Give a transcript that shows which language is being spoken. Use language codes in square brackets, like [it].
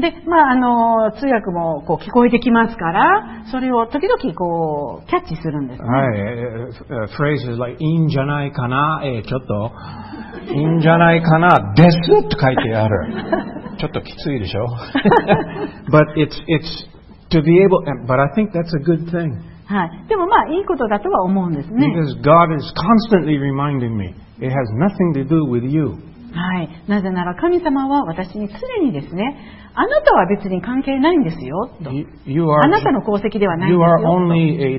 [ja] で、まあ通訳もこう聞こえてきますから、それを時々こうキャッチするんですね。はい。 [en] Phrases like、 [ja] いいんじゃないかな、ちょっと。いいんじゃないかな、ですって書いてある。ちょっときついでしょ。 [en] But it's to be able, but I think that's a good thing. [ja] はい。でもまあいいことだとは思うんですね。 [en] Because God is constantly reminding me, it has nothing to do with you. [ja] はい、なぜなら神様は私に常にですね、あなたは別に関係ないんですよと。あなたの功績ではないんですよ。